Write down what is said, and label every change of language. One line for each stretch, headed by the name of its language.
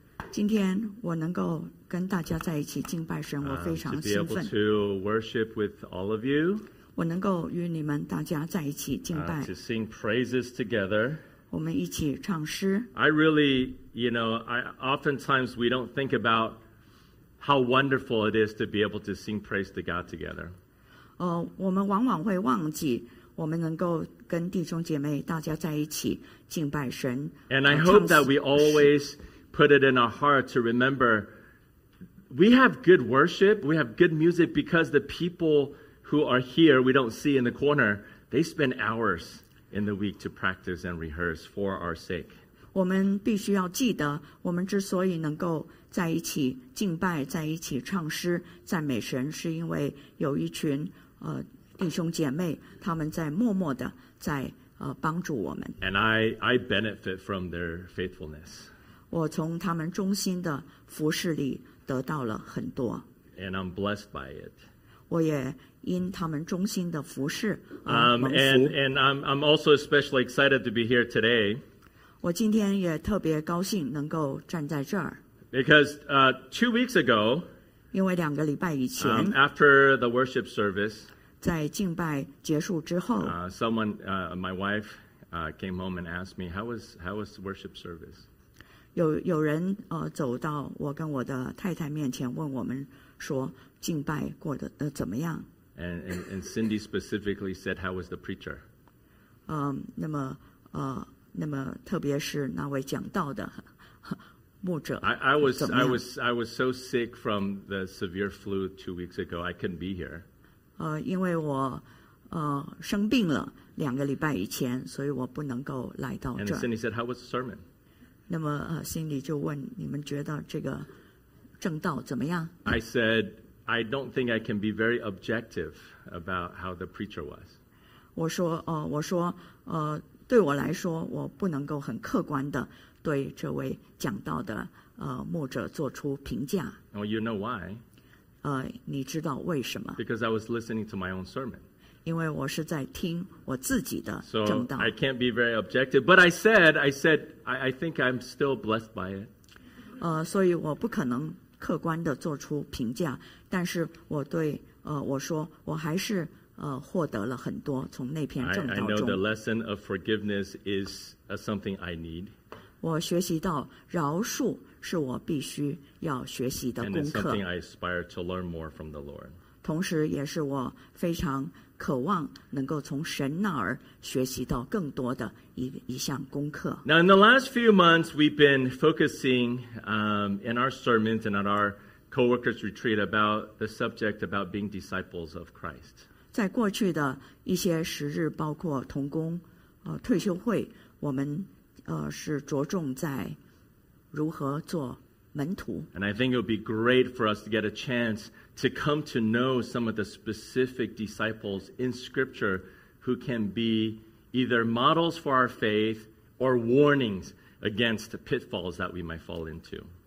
Chinese: 今天我能够跟大家在一起敬拜神, 我非常兴奋。
English: To be able to worship with all of you.
Chinese: 我能够与你们大家在一起敬拜。
English: To sing praises together.
Chinese: 我们一起唱诗。
English: I really, you know, oftentimes we don't think about how wonderful it is to be able to sing praise to God together.
Chinese: 我们往往会忘记我们能够跟弟兄姐妹大家在一起敬拜神。
English: And I hope that we always put it in our heart to remember we have good worship, we have good music because the people who are here, we don't see in the corner, they spend hours in the week to practice and rehearse for our sake.
Chinese: 我们必须要记得我们之所以能够在一起敬拜在一起唱诗赞美神是因为有一群弟兄姐妹他们在默默地在帮助我们
English: And I benefit from their faithfulness
Chinese: 我从他们忠心的服事里得到了很多
English: And I'm blessed by it
Chinese: 我也因他们忠心的服事
English: And I'm also especially excited to be here today
Chinese: 我今天也特别高兴能够站在这儿
English: Because 2 weeks ago,
Chinese: 因为两个礼拜以前,
English: after the worship service,
Chinese: 在敬拜结束之后,
English: my wife, came home and asked me, how was the worship service?
Chinese: 有人走到我跟我的太太面前问我们说敬拜过得怎么样?
English: And Cindy specifically said, how was the preacher?
Chinese: 那么特别是那位讲道的。
English: I was so sick from the severe flu 2 weeks ago. I couldn't be here.
Chinese: 因为我生病了两个礼拜以前，所以我不能够来到这儿。
English: And Cindy said, "How was the sermon?"
Chinese: 那么Cindy 就问你们觉得这个正道怎么样
English: ？I said, "I don't think I can be very objective about how the preacher was."
Chinese: 我说对我来说，我不能够很客观的。对这位讲道的牧者做出评价。
English: Oh, you know why?
Chinese: 你知道为什么
English: ？Because I was listening to my own sermon.
Chinese: 因为我是在听我自己的正道。
English: So I can't be very objective, but I said, I think I'm still blessed by it.
Chinese: 所以我不可能客观的做出评价，但是我对我说我还是获得了很多从那篇正道中。
English: I know the lesson of forgiveness is something I need.
Chinese: 我学习到饶恕是我必须要学习的功课。
English: And it's something I aspire to learn more from the Lord.
Chinese: 同时也是我非常渴望能够从神那儿学习到更多的一项功课。
English: Now in the last few months, we've been focusing in our sermons and at our co-workers retreat about the subject about being disciples of Christ.
Chinese: 在过去的一些时日，包括同工退休会，我们是着重在如何做门徒。
English: And I think it would be great for us to get a chance to come to know some of the specific disciples in Scripture who can be either models for our faith or warnings against the pitfalls that we might fall into.